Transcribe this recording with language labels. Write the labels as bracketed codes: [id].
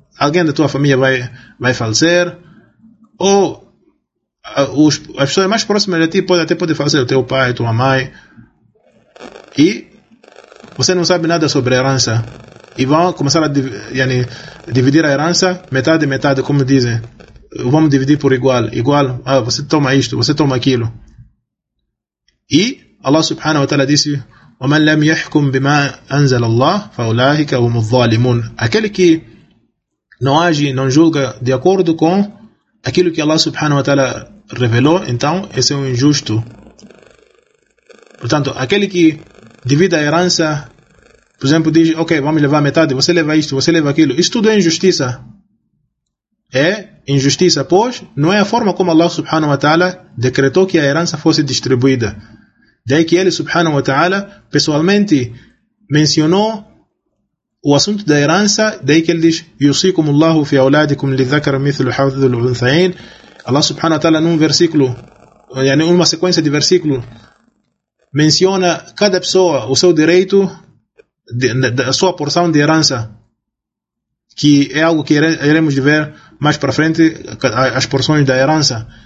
[pt] Alguém da tua família vai falecer, ou a pessoa mais próxima de ti pode falecer, o teu pai, tua mãe, e você não sabe nada sobre a herança e vão começar a dividir a herança metade e metade, como dizem. Vamos dividir por igual, você toma isto, você toma aquilo. E Allah subhanahu wa ta'ala disse: [ar] وَمَنْ لَمْ يَحْكُمْ بِمَا أَنْزَلَ اللَّهُ فَأُولَٰئِكَ هُمُ الظَّالِمُونَ. [pt] Aquele que não age, não julga de acordo com aquilo que Allah subhanahu wa ta'ala revelou, então esse é um injusto. Portanto, aquele que divide a herança, por exemplo, diz: ok, vamos levar metade, você leva isto, você leva aquilo, isso tudo é injustiça. É injustiça, pois não é a forma como Allah subhanahu wa ta'ala decretou que a herança fosse distribuída. Daí que ele subhanahu wa ta'ala pessoalmente mencionou o assunto da herança. Daí que ele diz: [ar] يُصِيكُمُ اللَّهُ فِي أَوْلَادِكُمْ لِذَكَرَ مِثْلُ حَوْثُ الْعُنْثَيْنِ. [pt] Allah subhanahu wa ta'ala num versículo, yani uma sequência de versículo, menciona cada pessoa o seu direito, a sua porção de herança, que é algo que iremos ver mais para frente, as porções da herança.